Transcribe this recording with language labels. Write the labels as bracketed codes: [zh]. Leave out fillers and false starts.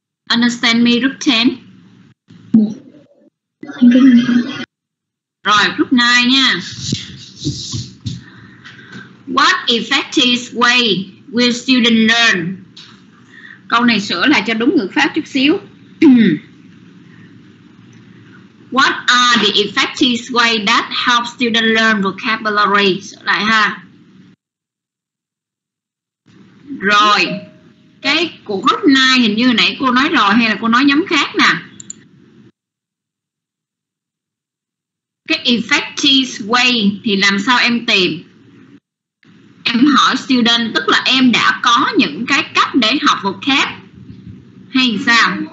[en] Understand me, group 10? [vi] Rồi, group 9 nha. [en] What effective way will student learn? [vi] Câu này sửa lại cho đúng ngữ pháp chút xíu. [en] What are the effective way that help student learn vocabulary? [vi] Sửa lại ha. Rồi, cái của group 9 hình như nãy cô nói rồi hay là cô nói nhóm khác nè. Cái effective way thì làm sao em tìm? Em hỏi student, tức là em đã có những cái cách để học vocab hay sao?